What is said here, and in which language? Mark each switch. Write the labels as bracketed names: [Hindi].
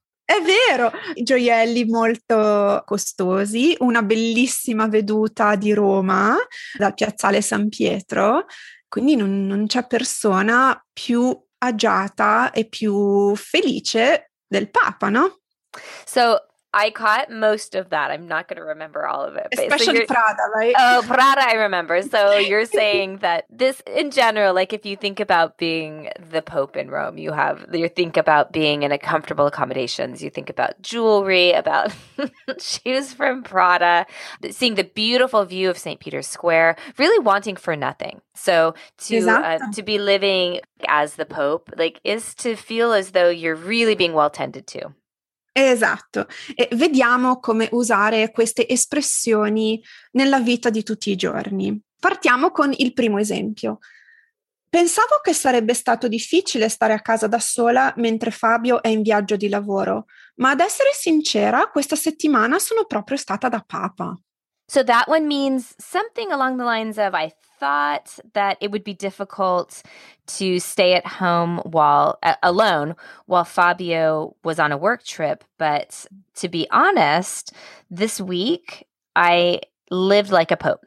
[Italian] È vero, gioielli molto costosi, una bellissima veduta di Roma dal piazzale San Pietro, quindi non c'è persona più agiata e più felice del Papa, no? [English] So I caught most of that. I'm not going to remember all of it. Especially Prada, right? Oh, Prada, I remember. So you're saying that this, in general, like if you think about being the Pope in Rome, you think about being in a comfortable accommodations. You think about jewelry, about shoes from Prada, seeing the beautiful view of St. Peter's Square, really wanting for nothing. So to be living as the Pope, like, is to feel as though you're really being well tended to. [Italian] Esatto. E vediamo come usare queste espressioni nella vita di tutti i giorni. Partiamo con il primo esempio. Pensavo che sarebbe stato difficile stare a casa da sola mentre Fabio è in viaggio di lavoro, ma ad essere sincera, questa settimana sono proprio stata da papa. [English] So that one means something along the lines of I thought that it would be difficult to stay at home alone while Fabio was on a work trip. But to be honest, this week I lived like a pope.